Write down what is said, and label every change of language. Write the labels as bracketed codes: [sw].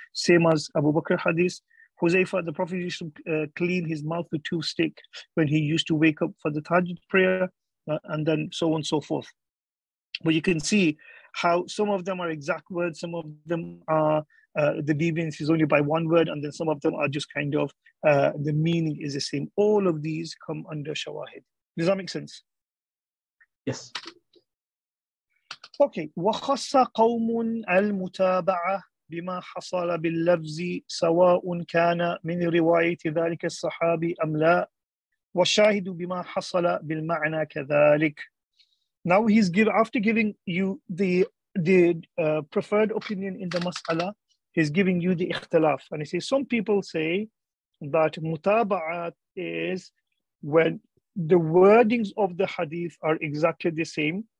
[en] Same as Abu Bakr hadith. Huzaifa, the Prophet used to clean his mouth with two stick when he used to wake up for the Tahajjud prayer, and then so on and so forth. But you can see how some of them are exact words, some of them are the deviance is only by one word, and then some of them are just kind of the meaning is the same. All of these come under Shawahid. Does that make sense? Yes. Okay. [ar] وَخَصَّ قَوْمٌ الْمُتَابَعَةِ بما حصل باللفظ سواء كان من رواية ذلك الصحابي أم لا والشاهد بما حصل بالمعنى كذلك. [en] Now he's giving you the preferred opinion in the mas'ala. He's giving you the ikhtilaf, and he says some people say that mutaba'at is when the wordings of the hadith are exactly the same.